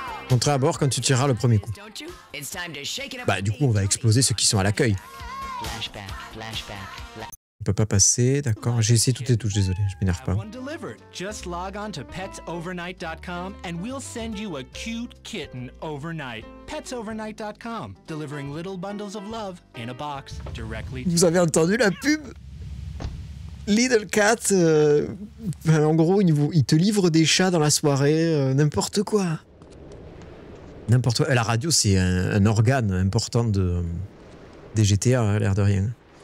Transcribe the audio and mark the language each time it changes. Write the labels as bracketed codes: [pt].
[fr] Montrez à bord quand tu tireras le premier coup. Bah du coup on va exploser ceux qui sont à l'accueil. On peut pas passer, d'accord. J'ai essayé toutes les touches, désolé, je m'énerve pas. [en] Just log on to petsovernight.com and we'll send you a cute kitten overnight. Petsovernight.com, delivering little bundles of love in a box directly. [fr] Vous avez entendu la pub Little Cat, en gros, il te livre des chats dans la soirée, n'importe quoi. N'importe quoi. La radio, c'est un organe important des GTA, l'air de rien.